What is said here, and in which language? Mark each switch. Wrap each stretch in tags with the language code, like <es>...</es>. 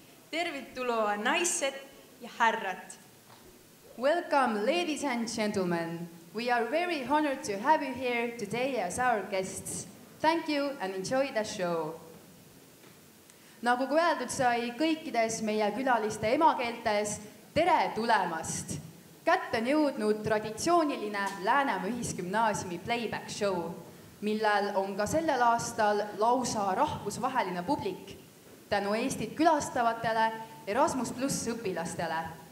<fi>Tervitulua naiset ja herrat.</fi> <en>Welcome, ladies and gentlemen. We are very honored to have you here today as our guests. Thank you and enjoy the show.</en> <et>Nagu öeldud sai kõikides meie külaliste emakeeltes, tere tulemast! Kätt on jõudnud traditsiooniline Läänemaa Ühisgümnaasiumi playback show, millel on ka sellel aastal lausa rahvusvaheline publik tänu Eestit külastavatele Erasmus Plus õpilastele.</et>